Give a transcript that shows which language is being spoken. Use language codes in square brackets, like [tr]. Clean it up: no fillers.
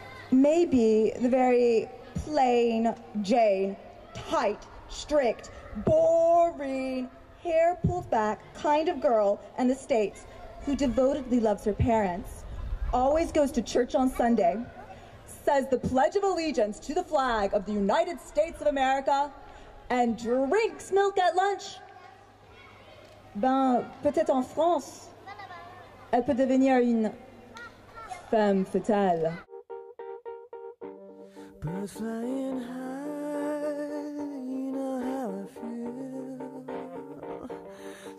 [en] Maybe the very plain Jane, tight, strict, boring, hair pulled back kind of girl in the States who devotedly loves her parents, always goes to church on Sunday, says the Pledge of Allegiance to the flag of the United States of America, and drinks milk at lunch. [fr] Ben, peut-être en France, elle peut devenir une femme fatale. [en] Birds flying high, you know how I feel.